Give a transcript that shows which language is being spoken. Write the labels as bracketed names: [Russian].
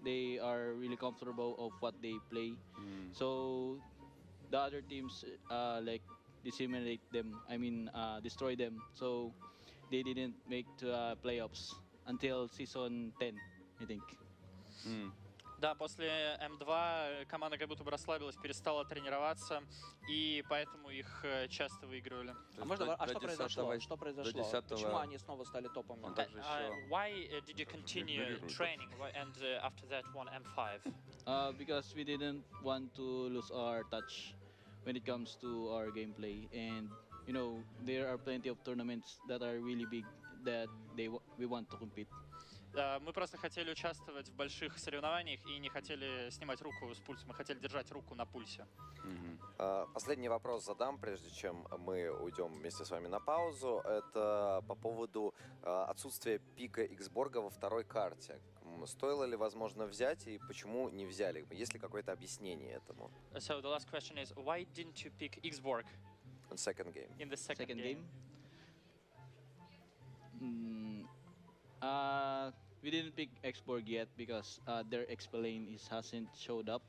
[English] They are really comfortable of what they play. Mm. So, the other teams decimate them, destroy them. So they didn't make to playoffs until season 10, I think. [Russian] Да, после M2 команда как будто бы расслабилась, перестала тренироваться, и поэтому их часто выигрывали. А можно, а что произошло? Что произошло? Почему они снова стали топами? [English] Why did you continue training and after that won M5? Because we didn't want to lose our touch when it comes to our gameplay, and there are plenty of tournaments that are really big that we want to compete. [Russian] Мы просто хотели участвовать в больших соревнованиях и не хотели снимать руку с пульса, мы хотели держать руку на пульсе. Последний вопрос задам, прежде чем мы уйдем вместе с вами на паузу. Это по поводу отсутствия пика Иксборга во второй карте. Стоило ли, возможно, взять, и почему не взяли? Есть ли какое-то объяснение этому? [English] So the last question is, why didn't you pick Xborg? In the second game. In the second game. We didn't pick Xborg yet because their XP lane hasn't showed up.